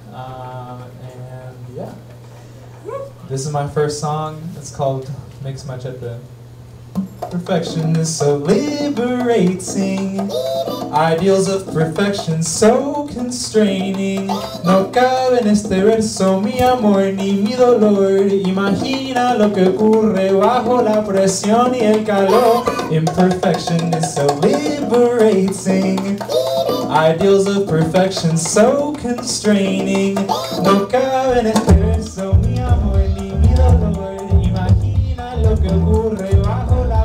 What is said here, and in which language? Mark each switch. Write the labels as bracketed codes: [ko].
[en] And yeah, this is my first song. It's called Mix Machete. Perfection is so liberating. Ideals of perfection so constraining. [es] No cabe en este verso mi amor ni mi dolor. Imagina lo que ocurre bajo la presión y el calor. [en] Imperfection is so liberating. Ideals of perfection so constraining. [es] No cabe en este verso mi amor ni mi dolor. Imagina lo que ocurre bajo.